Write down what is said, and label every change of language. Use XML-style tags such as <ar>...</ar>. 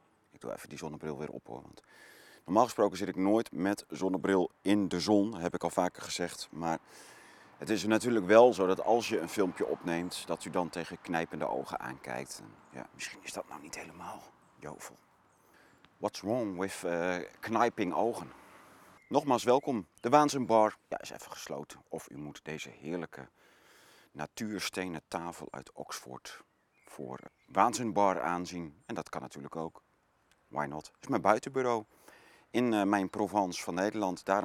<nl>Ik doe even die zonnebril weer op hoor, want normaal gesproken zit ik nooit met zonnebril in de zon, heb ik al vaker gezegd. Maar het is natuurlijk wel zo dat als je een filmpje opneemt, dat u dan tegen knijpende ogen aankijkt. Ja, misschien is dat nou niet helemaal jovel.</nl> <en>What's wrong with</en> <nl>knijping ogen? Nogmaals welkom. De Waanzinbar is even gesloten. Of u moet deze heerlijke natuurstenen tafel uit Oxford voor Waanzinbar aanzien. En dat kan natuurlijk ook.</nl> <en>Why not?</en> <nl>Het is mijn buitenbureau in mijn Provence van Nederland.</nl>